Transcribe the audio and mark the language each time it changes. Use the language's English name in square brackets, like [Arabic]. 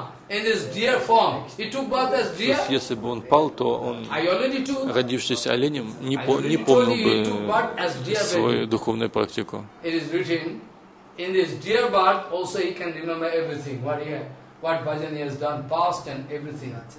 [English] In this deer form, he took birth as deer. [Russian] То есть, если бы он пал, то он, родившись оленем, не помнил бы свою духовную практику. [English] It is written, in this deer birth also he can remember everything, what bhajan he has done, past and everything.